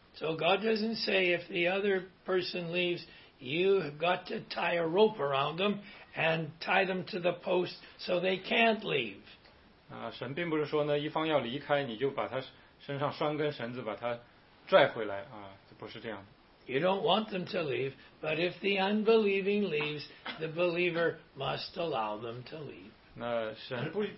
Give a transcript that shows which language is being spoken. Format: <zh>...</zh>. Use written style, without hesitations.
<en>So God doesn't say if the other person leaves, you've got to tie a rope around them and tie them to the post so they can't leave.</en> <zh>神并不是说呢，一方要离开，你就把他身上拴根绳子，把他拽回来啊，这不是这样的。</zh> <en>You don't want them to leave, but if the unbelieving leaves, the believer must allow them to leave.</en>